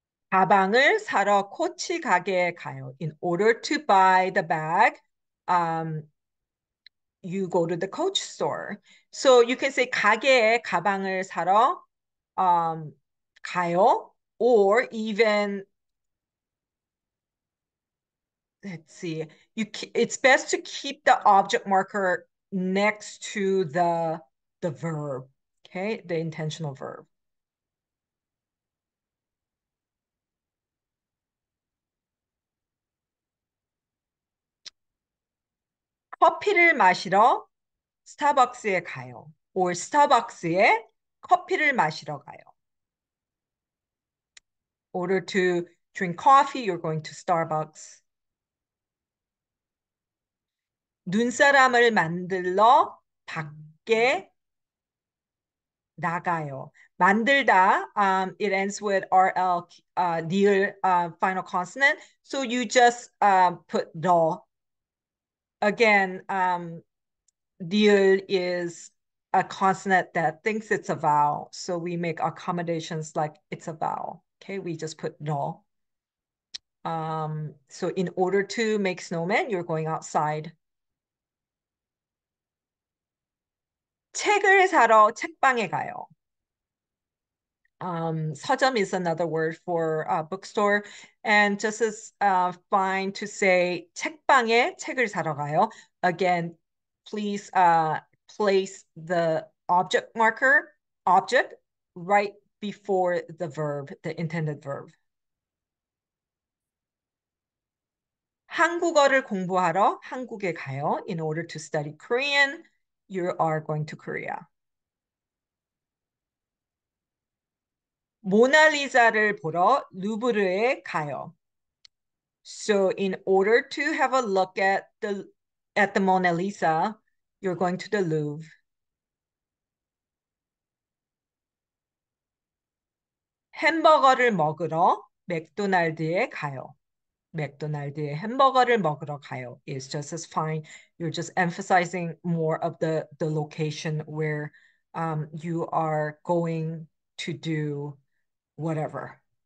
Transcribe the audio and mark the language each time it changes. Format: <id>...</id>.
<ko>가방을 사러 코치 가게에 가요.</ko> <en>In order to buy the bag, you go to the coach store. So you can say</en> <ko>가게에 가방을 사러 가요.</ko> <en>Or even, let's see, it's best to keep the object marker next to the verb, okay? The intentional verb.</en> <ko>커피를 마시러 스타벅스에 가요. Or 스타벅스에 커피를 마시러 가요.</ko> <en>Order to drink coffee, you're going to Starbucks.</en> <ko>눈사람을 만들러 밖에 나가요.</ko> <en>만들다, it ends with RL, near final consonant. So you just put 러. Again, niel is a consonant that thinks it's a vowel, so we make accommodations like it's a vowel. Okay, we just put no. So in order to make snowmen, you're going outside.</en> <ko>책을 사러 책방에 가요.</ko> <en>서점 is another word for bookstore, and just as fine to say</en> <ko>책방에 책을 사러 가요.</ko> <en>Again, please place the object right before the verb, the intended verb.</en> <ko>한국어를 공부하러 한국에 가요.</ko> <en>In order to study Korean, you are going to Korea.</en> <ko>모나리자를 보러 루브르에 가요.</ko> <en>So in order to have a look at the Mona Lisa, you're going to the Louvre.</en> <ko>햄버거를 먹으러 맥도날드에 가요. 맥도날드에 햄버거를 먹으러 가요.</ko> <en>It's just as fine. You're just emphasizing more of the location where you are going to do whatever.</en>